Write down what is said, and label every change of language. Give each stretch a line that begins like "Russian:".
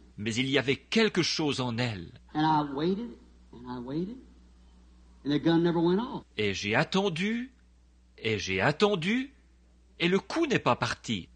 French: Mais il y avait quelque chose en elle.
English: And I waited, and I waited, and the gun never went off.
French: Et j'ai attendu, et j'ai attendu, et le coup n'est pas parti.